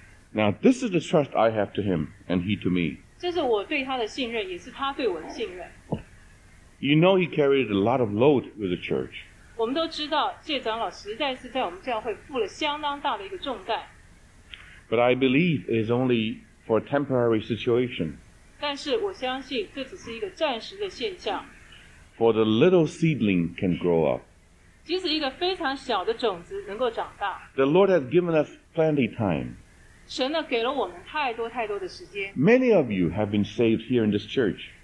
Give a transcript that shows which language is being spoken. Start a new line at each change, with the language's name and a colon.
English: Now this is the trust I have to him, and he to me.
Chinese: 这是我对他的信任，也是他对我的信任。
English: You know he carried a lot of load with the church.
Chinese: 我们都知道谢长老实在是在我们教会负了相当大的一个重担。
English: But I believe it is only for a temporary situation.
Chinese: 但是我相信这只是一个暂时的现象。
English: For the little seedling can grow up.
Chinese: 即使一个非常小的种子能够长大。
English: The Lord has given us plenty of time.
Chinese: 神呢给了我们太多太多的时间。
English: Many of you have been saved here in this church.